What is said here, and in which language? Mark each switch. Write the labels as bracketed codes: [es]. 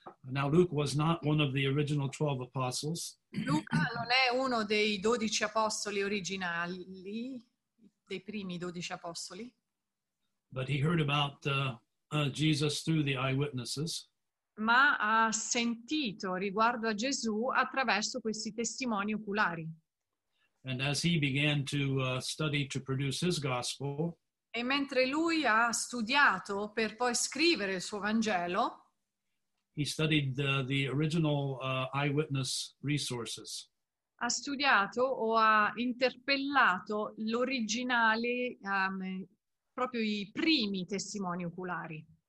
[en] Now Luke was not one of the original 12 apostles. [it] Luca non è uno dei 12 apostoli originali, dei primi 12 apostoli. [en] But he heard about Jesus through the eyewitnesses. [it] Ma ha sentito riguardo a Gesù attraverso questi testimoni oculari. [en] And as he began to study to produce his gospel, [it] e mentre lui ha studiato per poi scrivere il suo Vangelo, [en] he studied the original eyewitness resources. [it] Ha studiato o ha interpellato l'originale, proprio i primi testimoni oculari.